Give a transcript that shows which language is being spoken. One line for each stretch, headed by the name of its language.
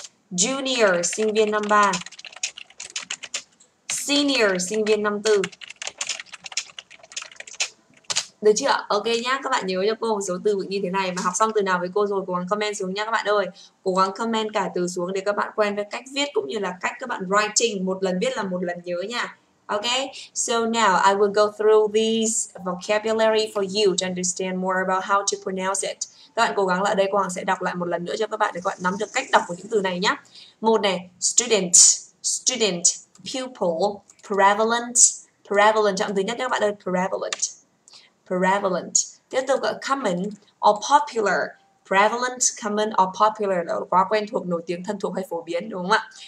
Vietnamese: Junior, sinh viên năm ba. Senior, sinh viên năm tư. Được chưa? Ok nhá, các bạn nhớ cho cô một số từ vựng như thế này. Mà học xong từ nào với cô rồi, cố gắng comment xuống nhá các bạn ơi. Cố gắng comment cả từ xuống để các bạn quen với cách viết cũng như là cách các bạn writing. Một lần viết là một lần nhớ nha.
English: Ok, so now I will go through these vocabulary for you to understand more about how to pronounce it.
Vietnamese: Các bạn cố gắng lại đây, cô Hằng sẽ đọc lại một lần nữa cho các bạn để các bạn nắm được cách đọc của những từ này nhá. Một này, student, student, pupil, prevalent, prevalent, trọng thứ nhất các bạn ơi, prevalent, prevalent. Tiếp tục là common or popular, prevalent, common or popular, là quá quen thuộc, nổi tiếng, thân thuộc hay phổ biến, đúng không ạ?